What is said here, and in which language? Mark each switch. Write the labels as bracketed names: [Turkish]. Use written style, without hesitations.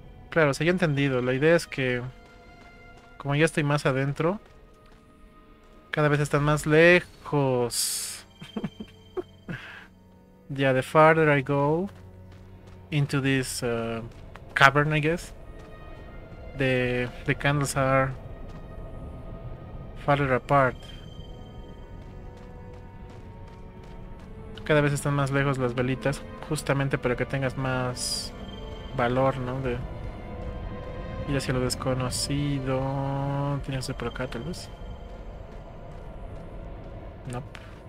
[Spanish] Claro, o sea, yo he entendido. La idea es que, como ya estoy más adentro, cada vez están más lejos. [English] Yeah, the farther I go into this cavern, I guess, the candles are farther apart. [Spanish] Cada vez están más lejos las velitas, justamente para que tengas más valor, ¿no? De ir hacia lo desconocido. Tienes que ir por acá, tal vez. [English] No. Nope.